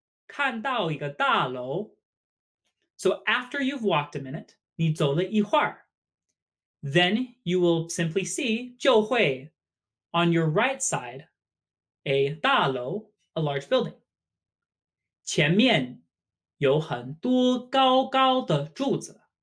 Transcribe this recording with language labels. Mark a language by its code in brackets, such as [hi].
[zh] 你走了一会儿,就会在右边看到一个大楼. [en] So after you've walked a minute, [zh] 你走了一会儿, [en] then you will simply see [zh] 就会 [en] on your right side, a 大楼, a large building. [zh] 前面有很多高高的柱子.